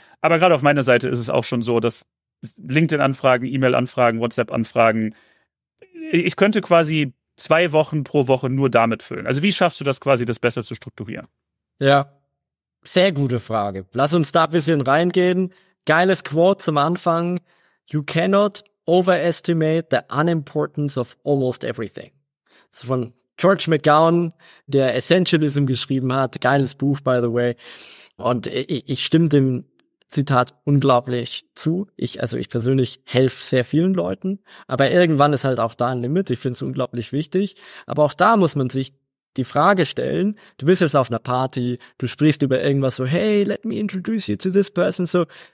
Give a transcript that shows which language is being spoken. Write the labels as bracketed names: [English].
[German] Aber gerade auf meiner Seite ist es auch schon so, dass LinkedIn-Anfragen, E-Mail-Anfragen, WhatsApp-Anfragen, ich könnte quasi 2 Wochen pro Woche nur damit füllen. Also wie schaffst du das quasi, das besser zu strukturieren? Ja, sehr gute Frage. Lass uns da ein bisschen reingehen. Geiles Quote zum Anfang. [English] You cannot overestimate the unimportance of almost everything. [German] Das ist von George McGowan, der Essentialism geschrieben hat. Geiles Buch, [English] by the way. [German] Und ich stimme dem Zitat unglaublich zu. Ich persönlich helfe sehr vielen Leuten, aber irgendwann ist halt auch da ein Limit. Ich finde es unglaublich wichtig. Aber auch da muss man sich die Frage stellen, du bist jetzt auf einer Party, du sprichst über irgendwas so, [English] hey, let me introduce you to this person. [German] So,